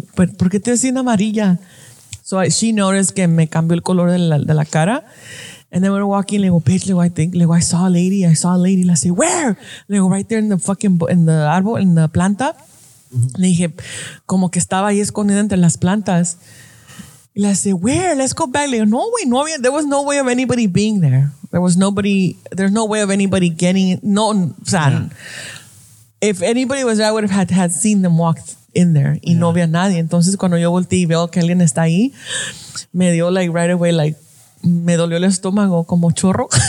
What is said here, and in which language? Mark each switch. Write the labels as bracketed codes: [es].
[es] ¿Por qué te ves bien amarilla? [en] So she noticed [es] que me cambió el color de la cara. [en] And then we're walking, [es] le digo, [en] bitch, le digo, I saw a lady. I say, where? [es] Le digo, [en] right there in the fucking, in the arbol, in the planta. Mm-hmm. [es] Le dije, como que estaba ahí escondida entre las plantas. Y le dije, where? [en] Let's go back. [es] Le digo, no, güey, no había, [en] there was no way of anybody being there. There was nobody, there's no way of anybody getting, no, o sea, if anybody was there, I would have had seen them walk in there. [es] Y no había nadie. Entonces, cuando yo volteé y veo que alguien está ahí, me dio [en] like right away, like, [es] me dolió el estómago como chorro.